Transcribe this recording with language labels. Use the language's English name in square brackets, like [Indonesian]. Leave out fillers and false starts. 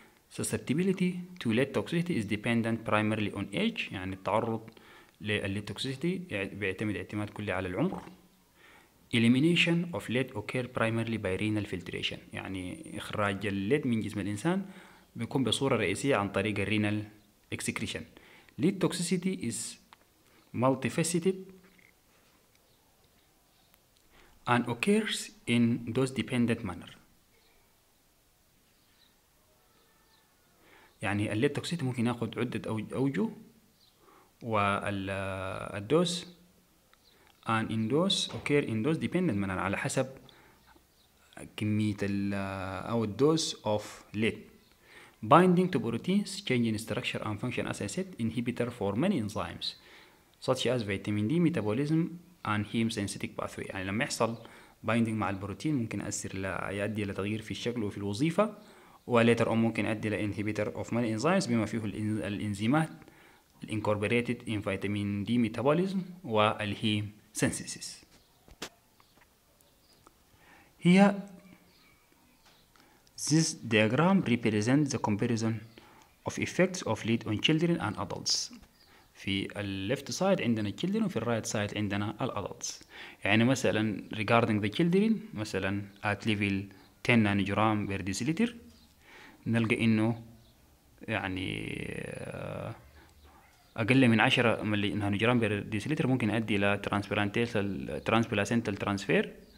[English] Susceptibility to lead toxicity is dependent primarily on age. [Arabic] يعني التعرض للead toxicity بيعتمد اعتماد كلي على العمر. [English] Elimination of lead occur primarily by renal filtration. [Arabic] يعني إخراج الليد من جسم الإنسان بيكون بصورة رئيسية عن طريق [English] renal excretion. Lead toxicity is multifaceted and occurs in dose-dependent manner. [Arabic] يعني الليد toxicity ممكن يأخذ عدة أوجه والدوس [English] and in dose occur in dose dependent manner [Arabic] على حسب كمية أو [English] dose of lead. Binding to proteins changing structure and function as I said inhibitor for many enzymes such as vitamin D metabolism and heme synthetic pathway. [Arabic] يعني لما يحصل binding مع البروتين ممكن يأثر يؤدي لتغيير في الشكل وفي الوظيفة وليتر أو ممكن يؤدي ل [English] inhibitor of many enzymes [Arabic] بما فيه الإنزيمات [English] incorporated in vitamin D metabolism [Arabic] والهيم synthesis. [English] Here this diagram represents the comparison of effects of lead on children and adults. في left side [Arabic] عندنا [English] children [Arabic] وفي [English] right side [Arabic] عندنا [English] adults. [Arabic] يعني مثلا [English] regarding the children [Arabic] مثلا [English] at level 10 nanogram per deciliter [Arabic] نلقى انه يعني أقل من 10 نانوجرام بر ديسيليتر ممكن يؤدي إلى ترانسبلانتال ترانسفير